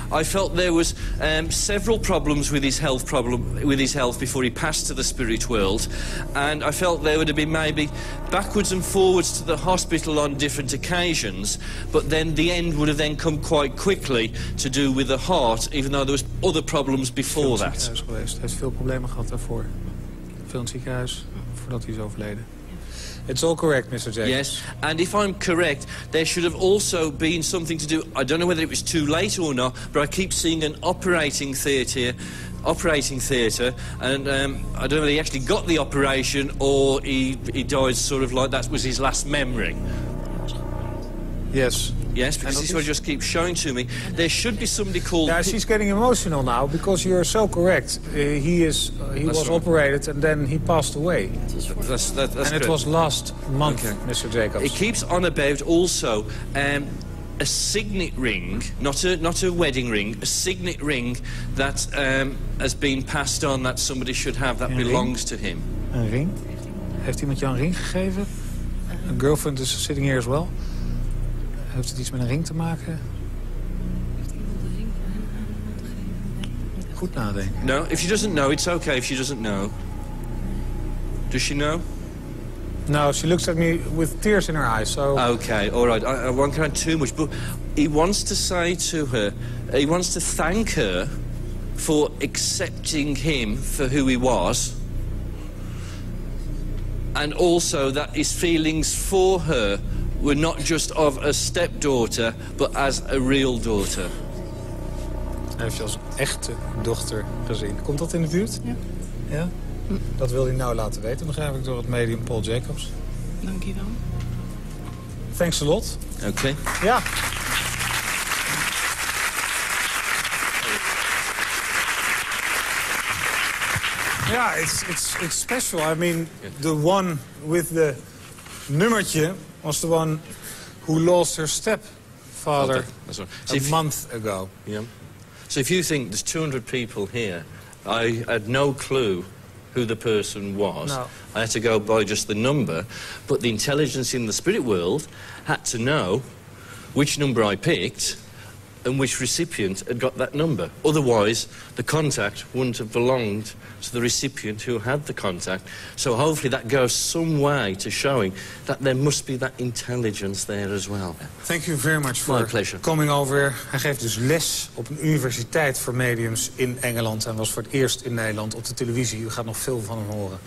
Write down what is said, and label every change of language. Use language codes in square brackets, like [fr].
[en] I felt there was several problems with his health before he passed to the spirit world. And I felt there would have been maybe backwards and forwards to the hospital on different occasions, but then the end would have then come quite quickly to do with the heart, even though there was other problems before that. [nl] Hij heeft veel problemen gehad daarvoor. Veel in het ziekenhuis, voordat hij is overleden. [en] It's all correct, Mr. Jay. Yes, and if I'm correct, there should have also been something to do. I don't know whether it was too late or not, but I keep seeing an operating theatre, and I don't know whether he actually got the operation or he died sort of like that was his last memory. Yes. Yes, because this is what just keeps showing to me. There should be somebody called... Yeah, she's getting emotional now because you're so correct. He was operated and then he passed away. That's correct. It was last month, okay. Mr. Jacobs. It keeps on about also a signet ring, not a wedding ring, a signet ring that has been passed on that somebody should have that belongs to him. A ring? [nl] Heeft iemand jou een ring gegeven? [en] A girlfriend is sitting here as well. [nl] Heeft het iets met een ring te maken? Goed nadenken. [en] No, if she doesn't know, it's okay if she doesn't know. Does she know? No, she looks at me with tears in her eyes, so... Okay, all right, I won't cry too much, but he wants to say to her, he wants to thank her for accepting him for who he was, and also that his feelings for her were not just of a stepdaughter, but as a real daughter. [nl] Hij heeft je als echte dochter gezien. Komt dat in de buurt? Ja. Ja? Dat wil hij nou laten weten, begrijp ik, door het medium Paul Jacobs. Dank je wel. [en] Thanks a lot. Oké. Okay. [nl] Ja. [en] Ja, it's special. I mean, the one with the nummertje was the one who lost her stepfather month ago. Yeah. So if you think there's 200 people here, I had no clue who the person was. No. I had to go by just the number, but the intelligence in the spirit world had to know which number I picked and which recipient had got that number. Otherwise, the contact wouldn't have belonged to the recipient who had the contact. So hopefully that goes some way to showing that there must be that intelligence there as well. Thank you very much for coming over. [nl] Hij geeft dus les op een universiteit voor mediums in Engeland en was voor het eerst in Nederland op de televisie. U gaat nog veel van hem horen.